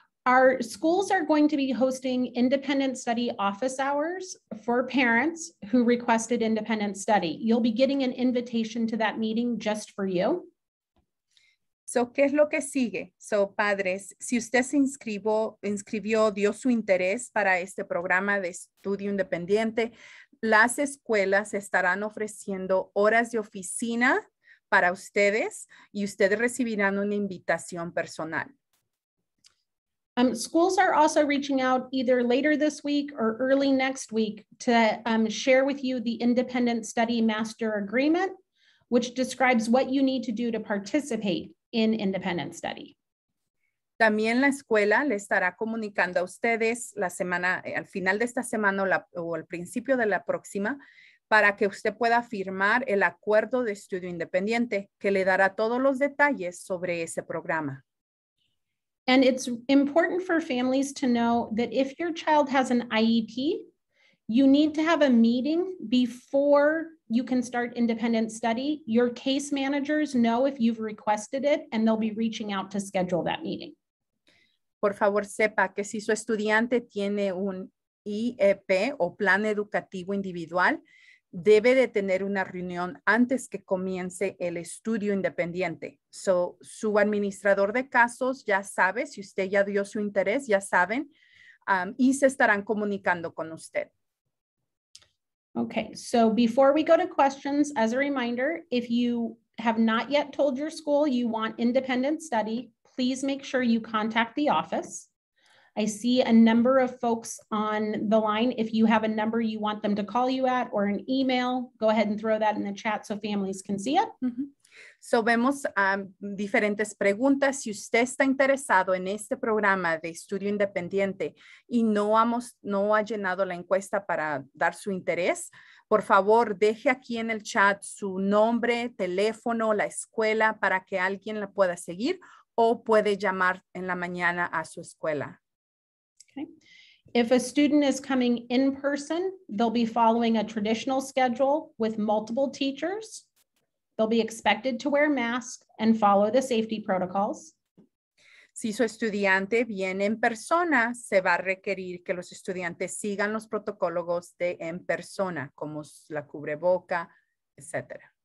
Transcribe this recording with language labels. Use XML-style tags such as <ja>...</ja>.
<en>Our schools are going to be hosting independent study office hours for parents who requested independent study. You'll be getting an invitation to that meeting just for you.</en> <es>So, ¿qué es lo que sigue? So, padres, si usted se inscribió, dio su interés para este programa de estudio independiente, las escuelas estarán ofreciendo horas de oficina para ustedes y ustedes recibirán una invitación personal.</es> <en>Schools are also reaching out either later this week or early next week to share with you the Independent Study Master Agreement, which describes what you need to do to participate in independent study.</en> <es>También la escuela le estará comunicando a ustedes la semana, al final de esta semana o al principio de la próxima, para que usted pueda firmar el acuerdo de estudio independiente que le dará todos los detalles sobre ese programa.</es> <en>And it's important for families to know that if your child has an IEP, you need to have a meeting before you can start independent study. Your case managers know if you've requested it and they'll be reaching out to schedule that meeting.</en> <es>Por favor, sepa que si su estudiante tiene un IEP o plan educativo individual, debe de tener una reunión antes que comience el estudio independiente. So, su administrador de casos ya sabe, si usted ya dio su interés, ya saben, y se estarán comunicando con usted.</es> <en>Okay, so before we go to questions, as a reminder, if you have not yet told your school you want independent study, please make sure you contact the office. I see a number of folks on the line. If you have a number you want them to call you at or an email, go ahead and throw that in the chat so families can see it. Mm-hmm.</en> <es>So vemos diferentes preguntas. Si usted está interesado en este programa de estudio independiente y no ha llenado la encuesta para dar su interés, por favor, deje aquí en el chat su nombre, teléfono, la escuela para que alguien la pueda seguir o puede llamar en la mañana a su escuela.</es> <en>Okay. If a student is coming in person, they'll be following a traditional schedule with multiple teachers. They'll be expected to wear masks and follow the safety protocols.</en> <es>Si su estudiante viene en persona, se va a requerir que los estudiantes sigan los protocolos de en persona, como la cubreboca, etc.</es>